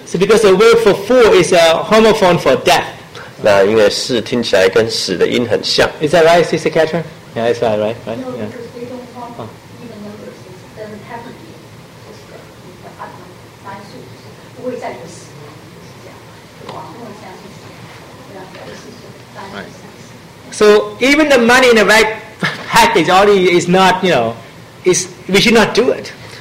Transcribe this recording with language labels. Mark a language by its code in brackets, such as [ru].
[en] So because the word for four is a homophone for death. [zh] 那因为四听起来跟死的音很像。 [en] Is that right, Sister Catherine? Yeah, that's right, right? Yeah. No, because they don't want even numbers. It doesn't have to be. So even the money in the right package already is not, you know, is we should not do it.